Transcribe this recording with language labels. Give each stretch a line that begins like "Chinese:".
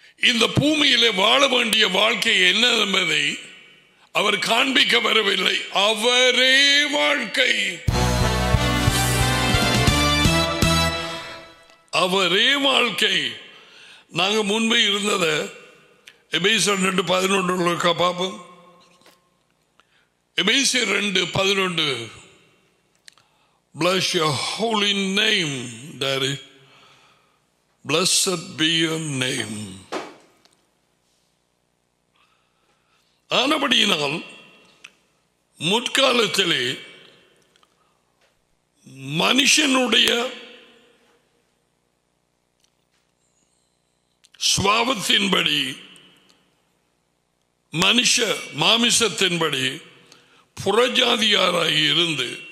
Tamil: இந்த பூமியிலே வாழ வேண்டிய வாழ்க்கை என்ன என்பதை அவர் காண்பிக்க வரவில்லை. அவரே வாழ்க்கை, அவரே வாழ்க்கை. நாங்கள் முன்பே இருந்தத எபேசியர் 2:11 பார்ப்போம்.
English: எபேசியர் 2:11, bless your holy name, daddy, blessed be your name.
Tamil: ஆனபடியினால் முற்காலத்திலே மனுஷனுடைய ஸ்வாவத்தின்படி, மனுஷ மாமிசத்தின்படி புறஜாதியாராய் இருந்து